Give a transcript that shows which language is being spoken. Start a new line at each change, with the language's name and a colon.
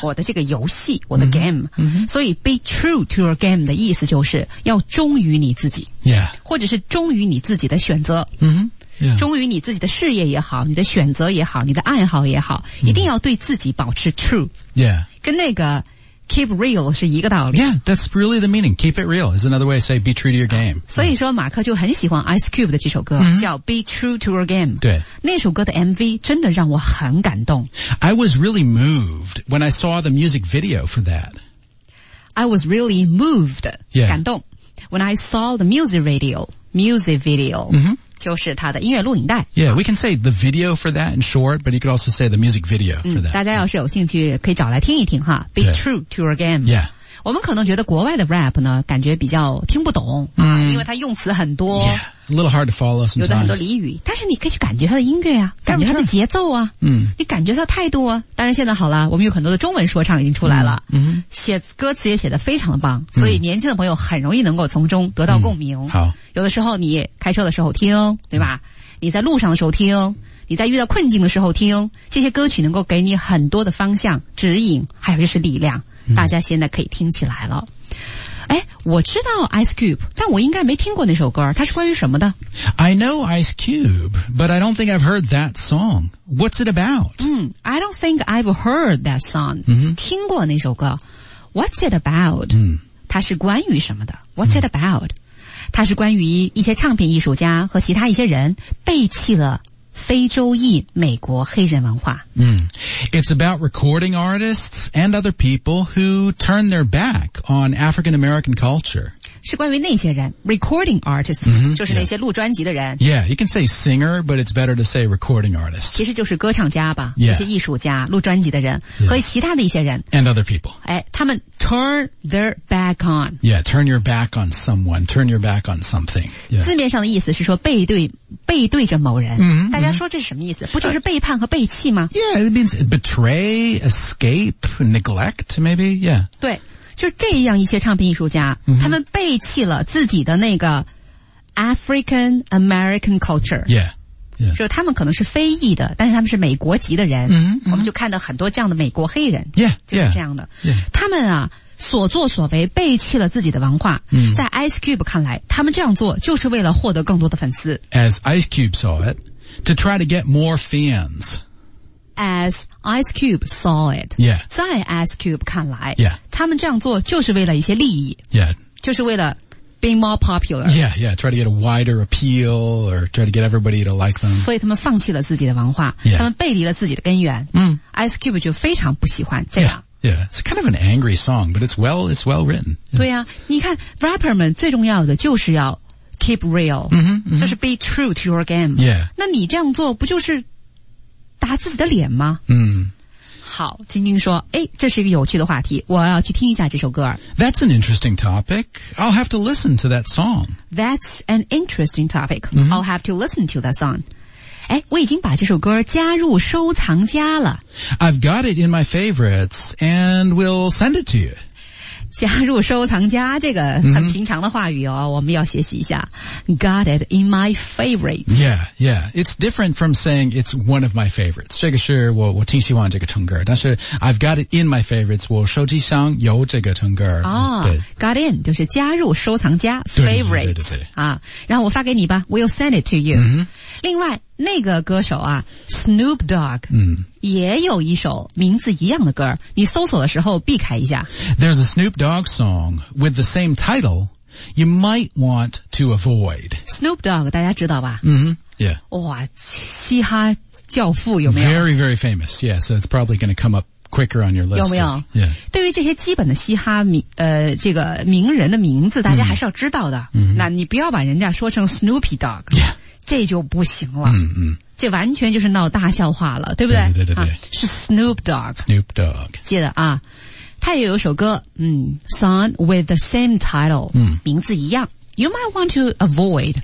Chinese: 我的这个游戏我的 game、 mm-hmm. 所以
English: be true to your game
Chinese: 的意思就是要忠于你自己、 yeah. 或者是忠于你自己的选择、 mm-hmm. yeah. 忠于你自己的事业也好你的选择也好你的爱好也好、mm-hmm. 一定要对自己保持 true、 yeah. 跟那个
English: keep real
Chinese: 是一个道理
English: Yeah, that's really the meaning Keep it real is another way to say be true to your game
Chinese: 所以说马克就很喜欢 Ice Cube 的这首歌、 mm-hmm. 叫 Be True to Your Game 对那首歌的 MV 真的让我很感动
English: I was really moved when I saw the music video for that I was really moved、 yeah.
Chinese: 感动
English: when I saw the music video、 mm-hmm.
Chinese: 就是他的音乐录影带
English: Yeah, we can say the video for that in short But you could also say the music video for that、
Chinese: 嗯、大家要是有兴趣可以找来听一听哈
English: Be true to your game Yeah
Chinese: 我们可能觉得国外的 rap 呢感觉比较听不懂、 mm. 因为它用词很多
English: Yeah, a little hard to follow sometimes
Chinese: 有的很多俚语但是你可以去感觉它的音乐啊感觉它的节奏啊、 mm. 你感觉它的态度啊当然现在好了我们有很多的中文说唱已经出来了、 mm-hmm. 写歌词也写得非常的棒所以年轻的朋友很容易能够从中得到共鸣、 mm. 好有的时候你开车的时候听对吧、嗯、你在路上的时候听你在遇到困境的时候听这些歌曲能够给你很多的方向指引还有就是力量、嗯、大家现在可以听起来了诶我知道 Ice Cube 但我应该没听过那首歌它是关于什么的
English: I know Ice Cube but I don't think I've heard that song What's it about?、嗯、I don't think I've heard that song、嗯、
Chinese: 听过那首歌
English: What's it about?、嗯、
Chinese: 它是关于什么的
English: What's it about?、
Chinese: 嗯它是关于一些唱片艺术家和其他一些人背弃了非洲裔美国黑人文化。
English: It's about recording artists and other people who turn their back on African American culture.
Chinese: 是关于那些人 ,
English: recording artists,
Chinese: 就是那些录专辑的人。
English: Yeah, you can say singer, but it's better to say recording artists.
Chinese: 其实就是歌唱家吧、 yeah. 一些艺术家录专辑的人、 yeah. 和其他的一些人。
English: And other people.
Chinese: 哎，他们
English: turn their back on. Yeah, turn your back on someone, turn your back on something.、Yeah.
Chinese: 字面上的意思是说背对着某人、 mm-hmm. 大家说这是什么意思不就是背叛和背弃吗、
English: Yeah, it means betray, escape, neglect, maybe, yeah.
Chinese: 对。就这样一些唱片艺术家、 mm-hmm. 他们背弃了自己的那个
English: African American culture. Yeah. Yeah.
Chinese: 就他们可能是非裔的但是他们是美国籍的人、 mm-hmm. 我们就看到很多这样的美国黑人。 Yeah. 就是这样的。 Yeah. Yeah. 他们啊所作所为背弃了自己的文化、 mm-hmm. 在 Ice Cube 看来他们这样做就是为了获得更多的粉丝。
English: As Ice Cube saw it, to try to get more fans. As Ice Cube saw it. Yeah.
Chinese: 在 Ice Cube 看来 Yeah. 他们这样做就是为了一些利益 Yeah. 就是为了
English: being more popular. Yeah, yeah. Try to get a wider appeal or try to get everybody to like them.
Chinese: 所以他们放弃了自己的文化 Yeah. 他们背离了自己的根源 Ice Cube 就非常不喜欢这样 Yeah. Yeah.
English: It's kind of an angry song, but it's well written. Yeah.
Chinese: 对啊。你看 ,rapper 们最重要的就是要
English: keep real. Mm-hmm, mm-hmm.
Chinese: 就是
English: be true to your game. Yeah.
Chinese: 那你这样做不就是打自己的脸吗？好，晶晶说，诶，这是一个有趣的话题，我要去听一下这首歌。
English: That's an interesting topic. I'll have to listen to that song. That's an interesting topic.、 Mm-hmm. I'll have to listen to that song.
Chinese: 诶，我已经把这首歌加入收藏夹了。
English: I've got it in my favorites, and we'll send it to you.
Chinese: 加入收藏夹，这个很平常的话语哦、mm-hmm. 我们要学习一下。
English: Got it in my favorites. Yeah, yeah. It's different from saying it's one of my favorites.
Chinese: 这个是我挺喜欢这个唱歌。但是
English: I've got it in my favorites.
Chinese: 我手机上有这个唱歌。哦、oh, ,got in, 就是加入收藏夹 ,favorites. 对对对对对、啊。然后我发给你吧 ,
English: we'll send it to you.、 Mm-hmm.
Chinese: 另外那个歌手啊 ,Snoop Dogg,、也有一首名字一样的歌你搜索的时候避开一下。
English: There's a Snoop Dogg song with the same title you might want to avoid.
Chinese: Snoop Dogg, 大家知道吧、 mm-hmm. Yeah. 哇嘻哈教父有没有
English: Very, very famous. Yeah, so it's probably going to come up quicker on your list.
Chinese: 有没有 Yeah. 对于这些基本的嘻哈这个名人的名字大家还是要知道的。 Mm-hmm. 那你不要把人家说成 Snoopy Dogg。 Yeah. 这就不行了、这完全就是闹大笑话了对不对对对对、啊、是 Snoop Dogg
English: Snoop Dogg
Chinese: 记得啊他也有一首歌
English: Song with the same title、
Chinese: 名字一样
English: You might want to avoid